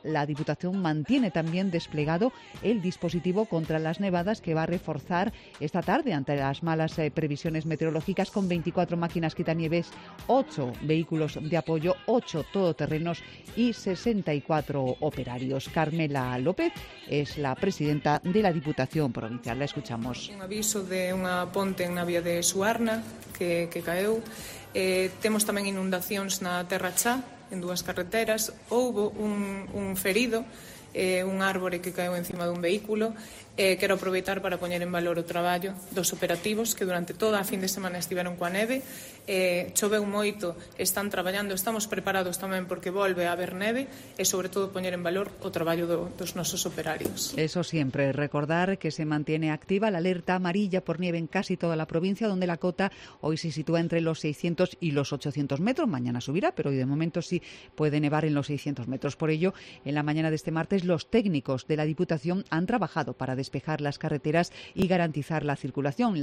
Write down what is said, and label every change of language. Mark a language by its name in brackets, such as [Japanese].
[Spanish] La Diputación mantiene también desplegado el dispositivo contra las nevadas, que va a reforzar esta tarde ante las malas previsiones meteorológicas, con 24 máquinas quitanieves, 8 vehículos de apoyo, 8 todoterrenos y 64 operarios. Carmela López es la presidenta de la Diputación Provincial. La escuchamos. [Galician] Un aviso de unha ponte en una vía de Suarna que caeu. Temos tamén inundacións na Terrachá, en dúas carreteras. Houbo un ferido, un árbore que caeu encima dun vehículo. Quero aproveitar para poñer en valor o traballo dos operativos, que durante toda a fin de semana estiveron coa neve. Choveu moito, están traballando, estamos preparados tamén porque volve a haber neve, e sobre todo poñer en valor o traballo dos nosos operarios. [Spanish] Eso siempre, recordar que se mantiene activa la alerta amarilla por nieve en casi toda la provincia, donde la cota hoy se sitúa entre los 600 y los 800 metros. Mañana subirá, pero hoy de momento sí puede nevar en los 600 metros. Por ello, en la mañana de este martes, los técnicos de la Diputación han trabajado para despejar las carreteras y garantizar la circulación.